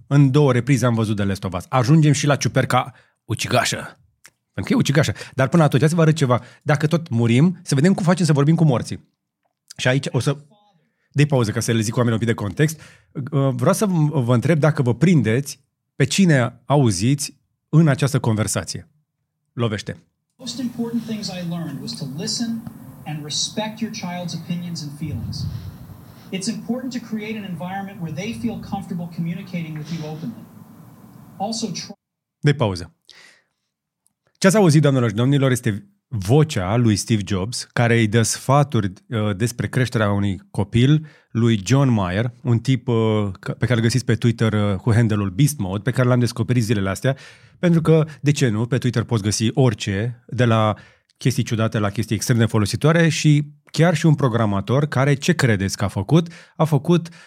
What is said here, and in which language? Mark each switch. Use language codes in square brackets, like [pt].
[ro] În două reprize am văzut de Last of Us. Ajungem și la ciuperca ucigașă. Pentru că e ucigașă. Dar până atunci, să vă arăt ceva. Dacă tot murim, să vedem cum facem să vorbim cu morții. Și aici o să... Dă-i pauză ca să le zic oamenii un pic de context. Vreau să vă întreb dacă vă prindeți pe cine auziți în această conversație. Lovește. [en] The most important things I learned was to listen and respect your child's opinions and feelings. It's important to create an environment where they feel comfortable communicating with you openly. [ro] Also, dă-i pauză. Ce ați auzit, doamnelor și domnilor, este vocea lui Steve Jobs, care îi dă sfaturi despre creșterea unui copil, lui John Mayer, un tip pe care îl găsiți pe Twitter cu handle-ul Beast Mode, pe care l-am descoperit zilele astea, pentru că, de ce nu, pe Twitter poți găsi orice, de la chestii ciudate la chestii extrem de folositoare și chiar și un programator care, ce credeți că a făcut?